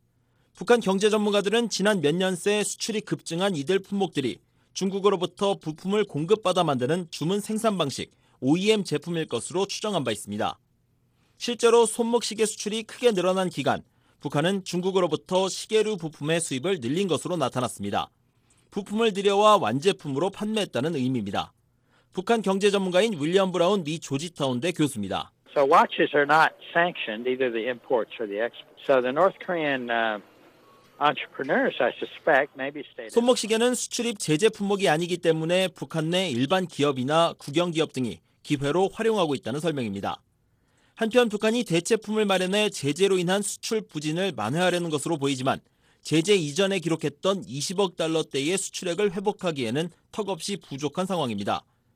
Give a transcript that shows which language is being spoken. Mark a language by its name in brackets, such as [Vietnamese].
[Korean] 북한 경제 전문가들은 지난 몇 년 새 수출이 급증한 이들 품목들이 중국으로부터 부품을 공급받아 만드는 주문 생산 방식 OEM 제품일 것으로 추정한 바 있습니다. 실제로 손목시계 수출이 크게 늘어난 기간 북한은 중국으로부터 시계류 부품의 수입을 늘린 것으로 나타났습니다. 부품을 들여와 완제품으로 판매했다는 의미입니다. 북한 경제 전문가인 윌리엄 브라운 미 조지타운대 교수입니다. [English] So watches are not sanctioned either the imports or the exports. So the North Korean entrepreneurs, I suspect, maybe stated. [Korean] 손목시계는 수출입 제재 품목이 아니기 때문에 북한 내 일반 기업이나 국영 기업 등이 기회로 활용하고 있다는 설명입니다. 한편 북한이 대체품을 마련해 제재로 인한 수출 부진을 만회하려는 것으로 보이지만 제재 이전에 기록했던 20억 달러대의 수출액을 회복하기에는 턱없이 부족한 상황입니다.